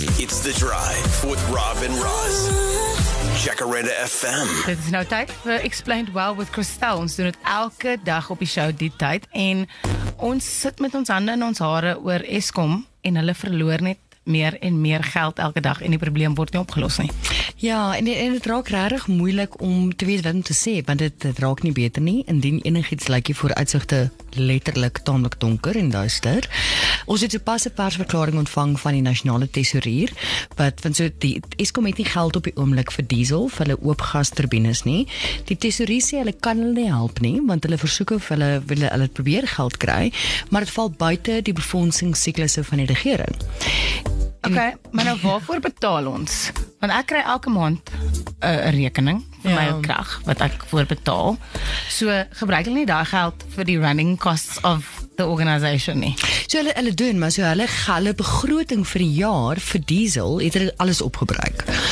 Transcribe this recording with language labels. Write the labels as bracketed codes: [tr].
[en] It's The Drive with Rob and Roz. Jacaranda FM. [af] Dit is nou tyd vir Explained Well with Christel. Ons doen het elke dag op die show die tyd. En ons sit met ons hande in ons hare oor Eskom. En hulle verloor net meer en meer geld elke dag. En die probleem word nie opgelos nie. Ja, en het raak rarig moeilik om te weet wat om te sê. Want het raak nie beter nie. Indien enig iets lyk jy voor uitsigte letterlik tamelijk donker en duister. Ons het so pas 'n persverklaring ontvang van die nationale tesourier, wat van so die Eskom het nie geld op die oomblik vir diesel, vir hulle oop gasturbines nie. Die tesourier sê hulle kan hulle nie help nie, want hulle versoek of hulle probeer geld kry, maar het val buite die befondsingssiklusse van die regering. Oké, okay, maar nou waarvoor betaal ons? Want ek kry elke maand 'n rekening vir my krag, wat ek voor betaal. So gebruik hulle nie daai geld vir die [en] running costs of the organisation [af] nie. So hulle doen, maar so hulle begroting vir die jaar vir diesel het hulle alles opgebruik.